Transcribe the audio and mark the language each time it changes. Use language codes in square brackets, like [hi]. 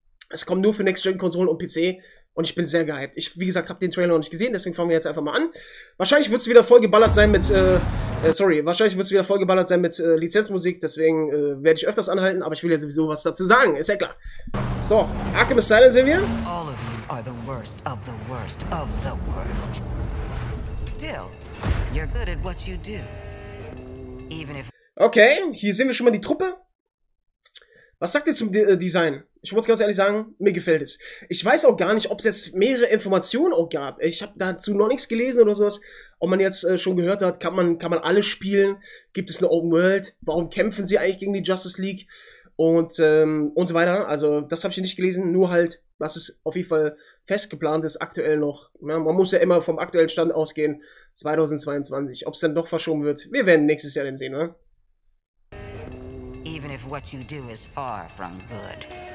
[de] Es kommt nur für Next-Gen-Konsolen und PC. Und ich bin sehr gehypt. Ich, wie gesagt, habe den Trailer noch nicht gesehen, deswegen fangen wir jetzt einfach mal an. Wahrscheinlich wird es wieder vollgeballert sein mit, wahrscheinlich wird es wieder vollgeballert sein mit Lizenzmusik, deswegen werde ich öfters anhalten, aber ich will ja sowieso was dazu sagen, ist ja klar. So, Arkham Asylum sehen wir. [en] All of you are the worst of the worst of the worst. Still, you're good at what you do. Even if. [de] Okay, hier sehen wir schon mal die Truppe. Was sagt ihr zum Design? Ich muss ganz ehrlich sagen, mir gefällt es. Ich weiß auch gar nicht, ob es jetzt mehrere Informationen auch gab. Ich habe dazu noch nichts gelesen oder sowas. Ob man jetzt schon gehört hat, kann man alles spielen? Gibt es eine Open World? Warum kämpfen sie eigentlich gegen die Justice League? Und so weiter. Also, das habe ich nicht gelesen. Nur halt, was es auf jeden Fall fest geplant ist, aktuell noch. Ja, man muss ja immer vom aktuellen Stand ausgehen. 2022. Ob es dann doch verschoben wird, wir werden nächstes Jahr dann sehen, oder? [en] Even if what you do is far from good.